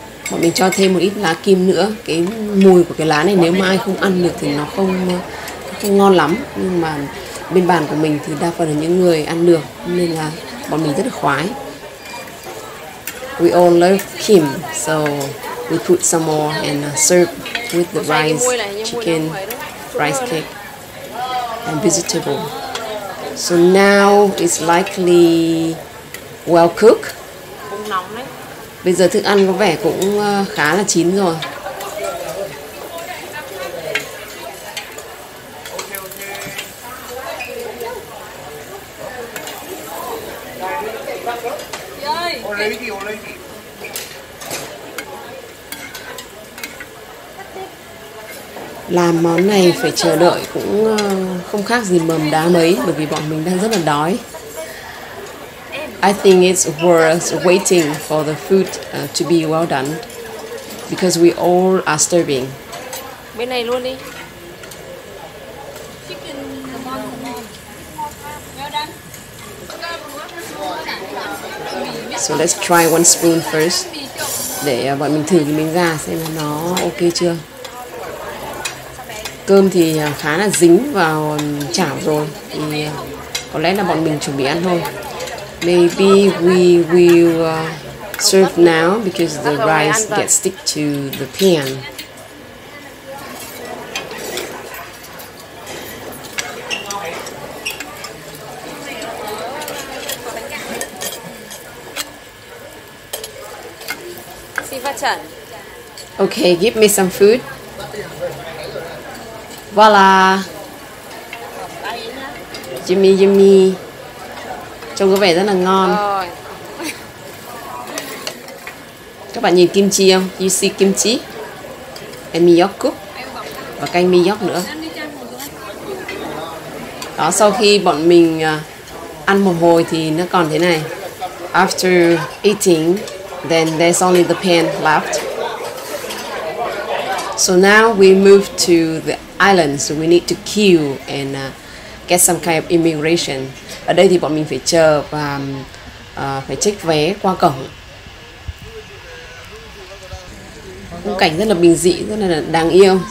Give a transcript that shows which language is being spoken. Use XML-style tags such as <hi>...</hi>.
<vi>Bọn mình cho thêm một ít lá kim nữa. Cái mùi của cái lá này nếu mà ai không ăn được thì nó không ngon lắm. Nhưng mà bên bàn của mình thì đa phần là những người ăn được nên là bọn mình rất là khoái.</vi> <en>We all love kim, so we put some more and serve with the rice, chicken, rice cake and vegetable. So now it's likely well cooked.</en> <vi>Bây giờ thức ăn có vẻ cũng khá là chín rồi. Làm món này phải chờ đợi cũng không khác gì mầm đá mấy bởi vì bọn mình đang rất là đói.</vi> <en>I think it's worth waiting for the food to be well done because we all are starving.</en> <vi>Bên này luôn đi.</vi> <en>So let's try one spoon first.</en> <vi>Để bọn mình thử cái miếng gà xem là nó ok chưa. Cơm thì khá là dính vào chảo rồi thì có lẽ là bọn mình chuẩn bị ăn thôi.</vi> <en>Maybe we will serve now because the rice gets stick to the pan. Okay, give me some food. Voila.</en> <vi>Yummy, yummy. Trông có vẻ rất là ngon. Các bạn nhìn kim chi không? You see kim chi? And miyok cook. Và canh miyok nữa. Đó, sau khi bọn mình ăn một hồi thì nó còn thế này.</vi> <en>After eating, then there's only the pan left. So now we move to the island, so we need to queue and get some kind of immigration.</en> <vi>Ở đây thì bọn mình phải chờ và phải check vé qua cổng. Khung cảnh rất là bình dị, rất là đáng yêu.</vi>